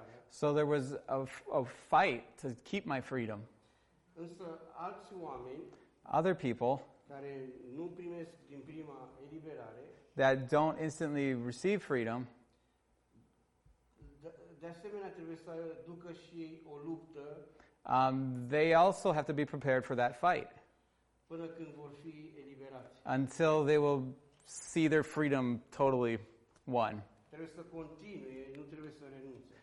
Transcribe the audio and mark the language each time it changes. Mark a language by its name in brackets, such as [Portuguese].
[English] So there was a fight to keep my freedom. [Romanian] Însă alți oameni, [English] other people, [Romanian] care nu primesc din prima eliberare, [English] that don't instantly receive freedom, [Romanian] de asemenea trebuie să ducă și o luptă. [English] They also have to be prepared for that fight. [Romanian] Până când vor fi eliberați. [English] Until they will see their freedom totally won. [Romanian] Trebuie să continue, nu trebuie să renunțe.